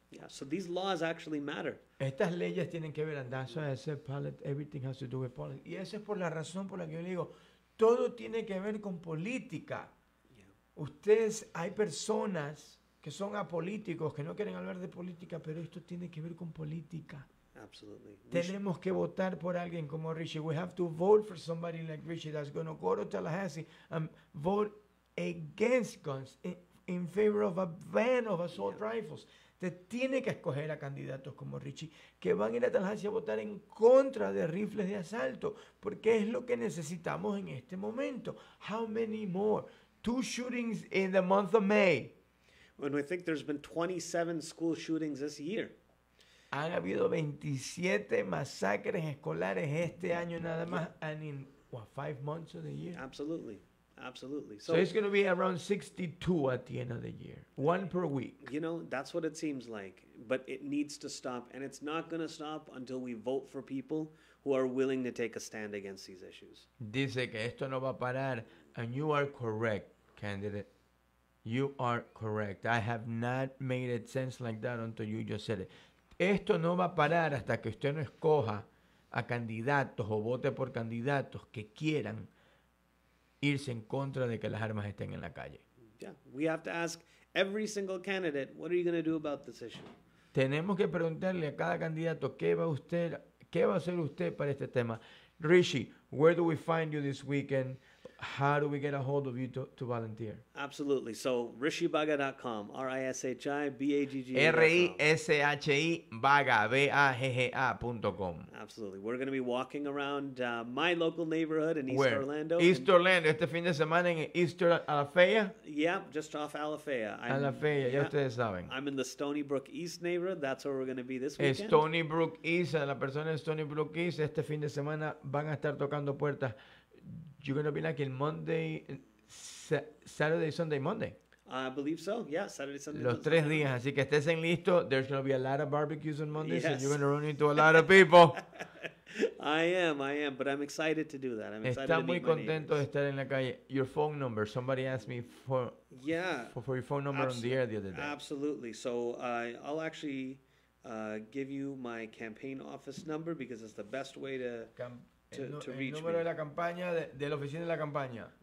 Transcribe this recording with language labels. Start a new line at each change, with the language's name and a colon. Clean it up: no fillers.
English: Yeah, so these laws actually matter.
Spanish: Estas leyes tienen que ver,
English: and that's why I said politics, everything has to do with politics.
Spanish: Y esa es por la razón por la que yo le digo, todo tiene que ver con política.
English: Yeah.
Spanish: Ustedes, hay personas que son apolíticos, que no quieren hablar de política, pero esto tiene que ver con política.
English: Absolutely.
Spanish: Tenemos que votar por alguien como Richie.
English: We have to vote for somebody like Richie that's going to go to Tallahassee and vote against guns in favor of a ban of assault rifles.
Spanish: Te tiene que escoger a candidatos como Richie que van a ir a Tallahassee a votar en contra de rifles de asalto, porque es lo que necesitamos en este momento.
English: How many more? 2 shootings in the month of May. When we think there's been 27 school shootings this year.
Spanish: Han habido 27 masacres escolares este año nada más,
English: and in what, 5 months of the year? Absolutely, absolutely. So it's going to be around 62 at the end of the year, one per week. You know, that's what it seems like, but it needs to stop, and it's not going to stop until we vote for people who are willing to take a stand against these issues.
Spanish: Dice que esto no va a parar,
English: and you are correct, candidate. You are correct. I have not made it sense like that until you just said it.
Spanish: Esto no va a parar hasta que usted no escoja a candidatos o vote por candidatos que quieran irse en contra de que las armas estén en la calle.
English: Yeah, we have to ask every single candidate, what are you going to do about this issue?
Spanish: Tenemos que preguntarle a cada candidato, ¿qué va a hacer usted para este tema? Richie,
English: where do we find you this weekend? How do we get a hold of you to volunteer? Absolutely. So rishibaga.com, R-I-S-H-I-B-A-G-G-A. R-I-S-H-I Baga, B-A-G-G-A.com. Absolutely. We're going to be walking around my local neighborhood in East Where? Orlando.
Spanish: East Orlando, este fin de semana en East Alafaya.
English: Yep, just off Alafaya.
Spanish: Alafaya, ya ustedes saben.
English: I'm in the Stony Brook East neighborhood. That's where we're going to be this weekend.
Spanish: Stony Brook East, la persona de Stony Brook East, este fin de semana van a estar tocando puertas.
English: You're going to be like in Monday, Saturday, Sunday, Monday. I believe so. Yeah, Saturday, Sunday.
Spanish: Los tres días. Así que estés en listo.
English: There's going to be a lot of barbecues on Monday. Yes. So you're going to run into a lot of people. I am. But I'm excited to do that. I'm excited
Spanish: Está
English: to
Spanish: muy contento de estar en la calle.
English: Your phone number. Somebody asked me for your phone number on the air the other day. Absolutely. So I'll actually give you my campaign office number because it's the best way to... To reach
Spanish: el número
English: me.
Spanish: De la campaña de la oficina de la campaña.